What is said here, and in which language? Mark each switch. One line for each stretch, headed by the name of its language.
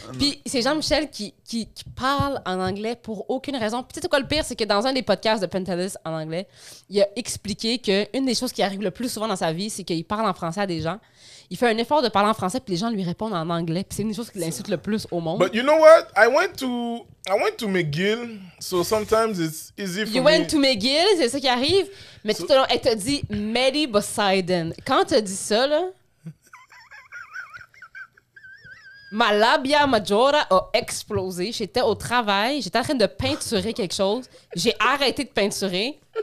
French: Puis c'est Jean-Michel qui parle en anglais pour aucune raison. Puis tu sais quoi, le pire, c'est que dans un des podcasts de Pantelis en anglais, il a expliqué que une des choses qui arrive le plus souvent dans sa vie, c'est qu'il parle en français à des gens. Il fait un effort de parler en français, puis les gens lui répondent en anglais. Puis c'est une des choses qui l'insulte le plus au monde.
English: But you know what? I went to McGill, so sometimes it's easy for you me. You went to McGill,
French: c'est ça qui arrive. Mais tout le long, elle t'a dit Mehdi Boussaiden. Quand t'as dit ça, là... Ma labia majora a explosé. J'étais au travail, j'étais en train de peinturer quelque chose. J'ai arrêté de peinturer.